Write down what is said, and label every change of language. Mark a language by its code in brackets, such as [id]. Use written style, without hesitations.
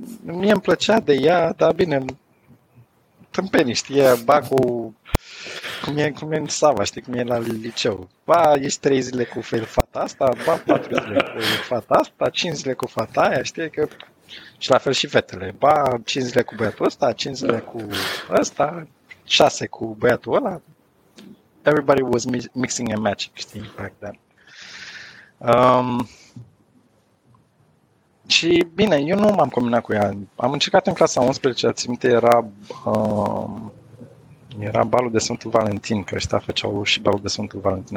[ro] Mie îmi plăcea de ea, dar bine, tâmpenii, știi, bacul, cum e în Sava, știi, cum e la liceu. Ba, ești 3 zile cu fata asta, ba, 4 zile cu fata asta, 5 zile cu fata aia, știi, că... Și la fel și fetele, ba, 5 zile cu băiatul ăsta, 5 zile cu ăsta, 6 cu băiatul ăla. [en] Everybody was mixing and matching, știi, back then. [ro] Și bine, eu nu m-am combinat cu ea. Am încercat în clasa 11, ce ați minte, era balul de Sfântul Valentin, că ăștia făceau și balul de Sfântul Valentin.